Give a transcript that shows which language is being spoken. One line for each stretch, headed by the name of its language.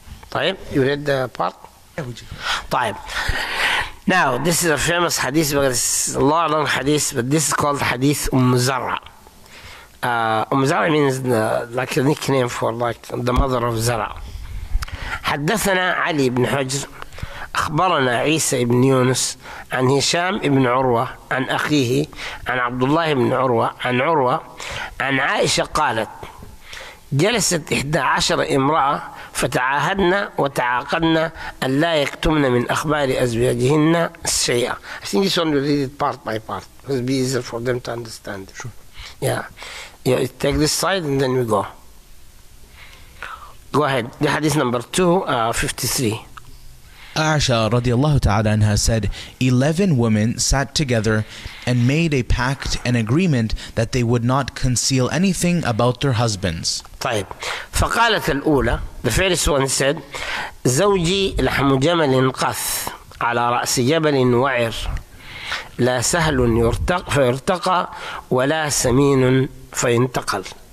Arabic: طيب,
English: you read the part?
Arabic: طيب.
English: Now, this is a famous hadith, but it's a long hadith, but this is called Hadith Zarra. Zarra means like a nickname for like the mother of Zarra.
Arabic: حدثنا علي بن حجر أخبرنا عيسى بن يونس عن هشام بن عروة عن أخيه عن عبد الله بن عروة عن عروة عن عائشة قالت جلست 11 امرأة فتعاهدنا وتعاقدنا أن لا يكتمن من أخبار أزواجهن شيئا.
English: I think this one will read it part by part. It will be easier for them to understand. Sure. Yeah. You take this side and then we go. Go ahead. The hadith number 253. Aisha radiallahu ta'ala anha said, 11 women sat together and made a pact, an agreement that they would not conceal anything about their husbands.
Arabic: طيب. فقالت الأولى,
English: the first one said,
Arabic: زوجي لحم جمل قث على رأس جبل وعر لا سهل يرتق فيرتقى ولا سمين فينتقل.